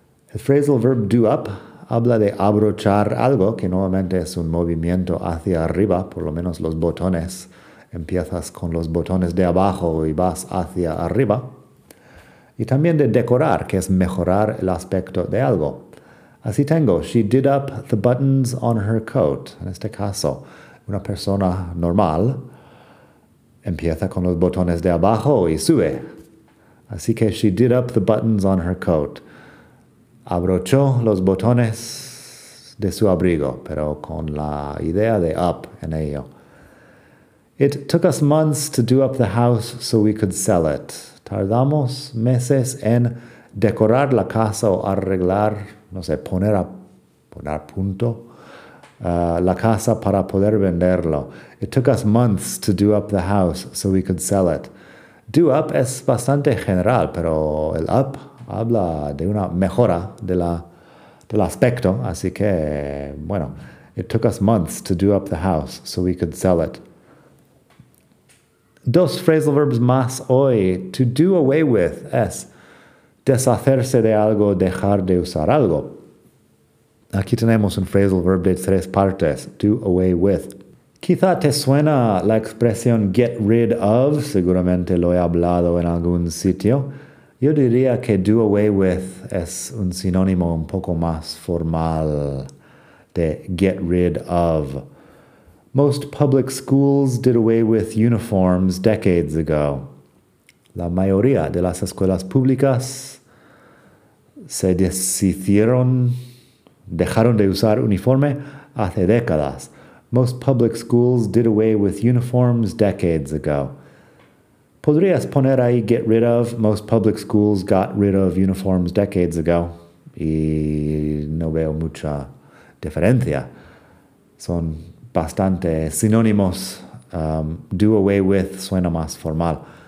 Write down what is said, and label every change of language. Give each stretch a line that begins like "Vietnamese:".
Spanish: El phrasal verb do up habla de abrochar algo, que nuevamente es un movimiento hacia arriba, por lo menos los botones. Empiezas con los botones de abajo y vas hacia arriba. Y también de decorar, que es mejorar el aspecto de algo. Así tengo,
English: she did up the buttons on her coat.
Spanish: En este caso, una persona normal empieza con los botones de abajo y sube. Así que
English: she did up the buttons on her coat.
Spanish: Abrochó los botones de su abrigo, pero con la idea de up en ello.
English: It took us months to do up the house so we could sell it.
Spanish: Tardamos meses en decorar la casa o arreglar, no sé, poner a punto la casa para poder venderlo.
English: It took us months to do up the house so we could sell it.
Spanish: Do up es bastante general, pero el up habla de una mejora del aspecto. Así que, bueno,
English: it took us months to do up the house so we could sell it.
Spanish: Dos phrasal verbs más hoy. To do away with es deshacerse de algo, dejar de usar algo. Aquí tenemos un phrasal verb de tres partes. Do away with. Quizá te suena la expresión get rid of. Seguramente lo he hablado en algún sitio. Yo diría que do away with es un sinónimo un poco más formal de get rid of.
English: Most public schools did away with uniforms decades ago.
Spanish: La mayoría de las escuelas públicas se deshicieron, dejaron de usar uniforme hace décadas.
English: Most public schools did away with uniforms decades ago.
Spanish: ¿Podrías poner ahí
English: get rid of? Most public schools got rid of uniforms decades ago.
Spanish: Y no veo mucha diferencia. Son bastante sinónimos. Do away with suena más formal.